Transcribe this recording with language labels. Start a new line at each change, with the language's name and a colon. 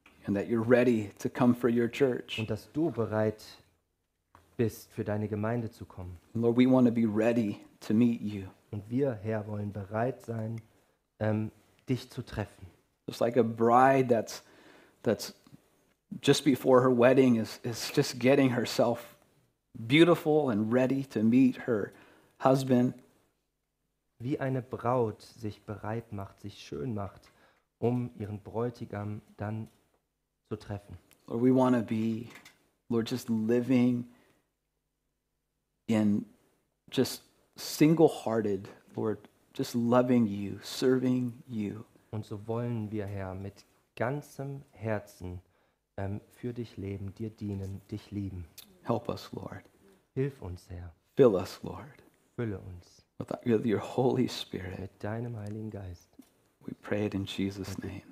English: And that you're ready to come for your church.
German: Und dass du bereit bist, für deine Gemeinde zu kommen.
English: Lord, we want to be ready to meet you.
German: Und wir, Herr, wollen bereit sein, dich zu treffen.
English: Just like a bride that's just before her wedding is just getting herself beautiful and ready to meet her husband.
German: Wie eine Braut sich bereit macht, sich schön macht, um ihren Bräutigam dann zu treffen.
English: Lord, we want to be, Lord, just living in just single-hearted, Lord, just loving you, serving you.
German: Und so wollen wir, Herr, mit ganzem Herzen für dich leben, dir dienen, dich lieben.
English: Help us, Lord.
German: Hilf uns, Herr.
English: Fill us, Lord.
German: Fülle uns.
English: With your Holy Spirit.
German: Mit deinem Heiligen Geist.
English: We pray it in Jesus' name.